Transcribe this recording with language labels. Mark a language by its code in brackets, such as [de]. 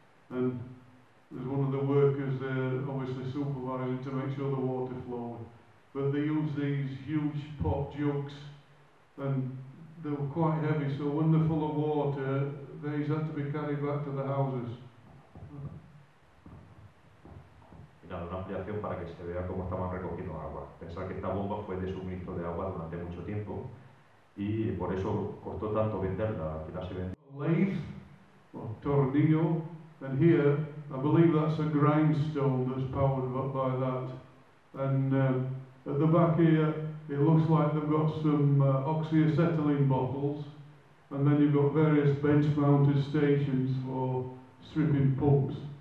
[en] And there's one of the workers there, obviously supervising to make sure the water flowed. But they use these huge pot jugs, and they were quite heavy, so when they're full of water, these had to be carried back to the houses. [es] Mirad, una ampliación para que se vea cómo estaban recogiendo agua. Pensar que esta bomba fue de suministro de agua durante mucho tiempo, y por eso costó tanto venderla, al final se vendió. [en] Lathe, or tornillo, and here, I believe that's a grindstone that's powered by that. And at the back here, it looks like they've got some oxyacetylene bottles, and then you've got various bench-mounted stations for stripping pumps.